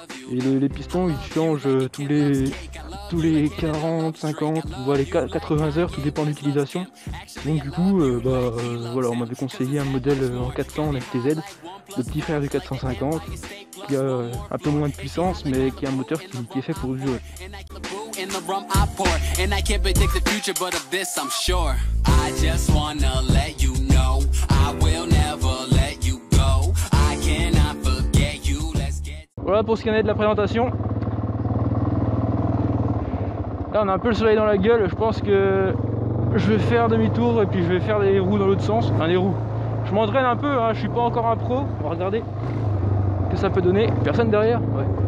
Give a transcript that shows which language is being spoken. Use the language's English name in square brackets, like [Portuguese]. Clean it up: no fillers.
[French] Et les pistons, ils changent tous les 40, 50, voire les 80 heures, tout dépend de l'utilisation. Donc du coup, voilà, on m'avait conseillé un modèle en 400 en FTZ, le petit frère du 450, qui a un peu moins de puissance, mais qui a un moteur qui est fait pour durer. [English] In the rum I pour, and I can't predict the future, but of this I'm sure. I just wanna let you know, I will never let you go. I cannot forget you, let's get... [French] Voilà pour ce qu'il y en a de la présentation. Là on a un peu le soleil dans la gueule, je pense que je vais faire demi-tour et puis je vais faire des roues dans l'autre sens, enfin des roues. Je m'entraîne un peu, hein. Je suis pas encore un pro, on va regarder ce que ça peut donner. Personne derrière? Ouais.